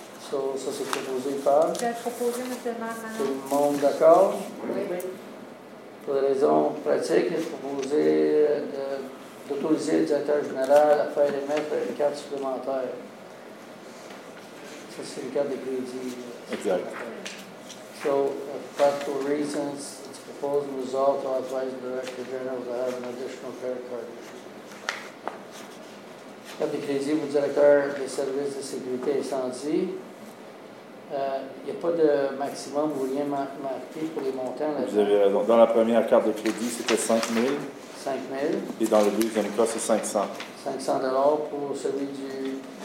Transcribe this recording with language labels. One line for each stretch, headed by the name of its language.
French: So, ça, c'est proposé par. J'ai proposé, monsieur le maire. Tout le monde d'accord? Oui. Pour des raisons pratiques, j'ai proposé d'autoriser le directeur général à faire émettre une carte supplémentaire. Ça, c'est une carte de crédit. Exact.
English: So, for practical reasons, it's proposed and resolved to authorize the director general to have an additional credit card issue.
French: Carte de crédit pour le directeur des services de sécurité incendie. Il n'y a pas de maximum ou rien marqué pour les montants. Là-dedans. Vous avez raison. Dans la première carte de crédit, c'était 5 000. 5 000. Et dans le deuxième cas, c'est 500. 500 $ pour celui du...